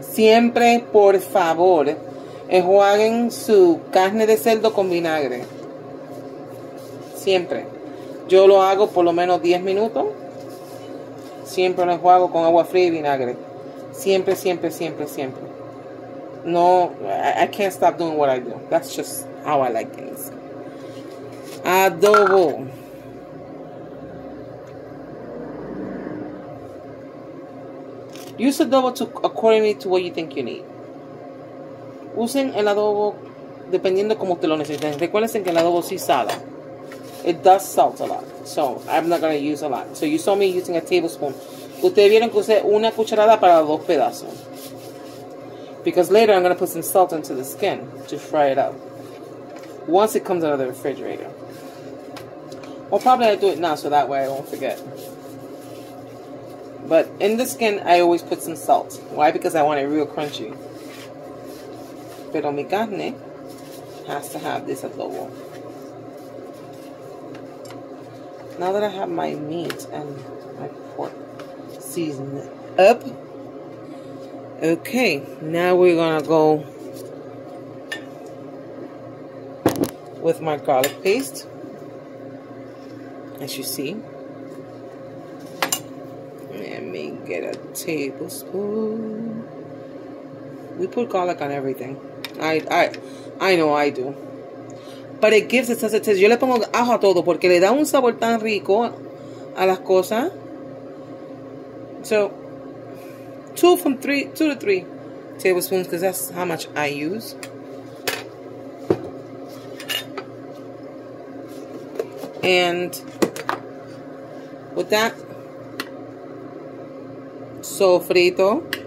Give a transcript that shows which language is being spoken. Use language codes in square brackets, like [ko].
[es] Siempre, por favor, enjuaguen su carne de cerdo con vinagre. Siempre. Yo lo hago por lo menos 10 minutos. Siempre lo enjuago con agua fría y vinagre. Siempre, siempre, siempre, siempre. [en] No, I can't stop doing what I do. That's just how I like things. [es] Adobo. [en] Use adobo accordingly to what you think you need. [es] Usen el adobo dependiendo como te lo necesiten. Recuerden que el adobo sí sala. [en] It does salt a lot. So, I'm not going to use a lot. So, you saw me using a tablespoon. [es] Ustedes vieron que usé una cucharada para dos pedazos. [en] Because later I'm going to put some salt into the skin to fry it up. Once it comes out of the refrigerator. Well, probably I do it now so that way I won't forget. But in the skin, I always put some salt. Why? Because I want it real crunchy. [es] Pero mi carne [en] has to have this adobo. Now that I have my meat and my pork seasoned up. Okay, now we're gonna go with my garlic paste. As you see. Let me get a tablespoon. We put garlic on everything. I know I do. But it gives it a taste. [es] Yo le pongo ajo a todo porque le da un sabor tan rico a las cosas. [en] So, two to three tablespoons because that's how much I use. And with that, sofrito.